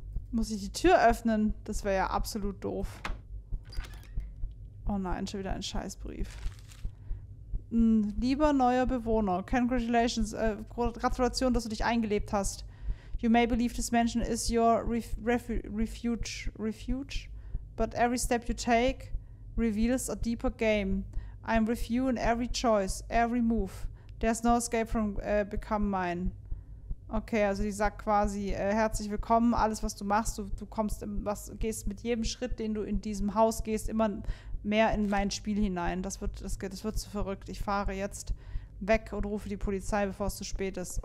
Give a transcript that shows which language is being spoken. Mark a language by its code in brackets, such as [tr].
[de] Muss ich die Tür öffnen? Das wäre ja absolut doof. Oh nein, schon wieder ein Scheißbrief. Lieber neuer Bewohner, congratulations, Gratulation, dass du dich eingelebt hast. [en] You may believe this mansion is your refuge. But every step you take reveals a deeper game. I'm with you in every choice, every move. There's no escape from become mine. [de] Okay, also die sagt quasi, herzlich willkommen, alles was du machst, du gehst mit jedem Schritt, den du in diesem Haus gehst, immer mehr in mein Spiel hinein. Das wird zu verrückt. Ich fahre jetzt weg und rufe die Polizei, bevor es zu spät ist.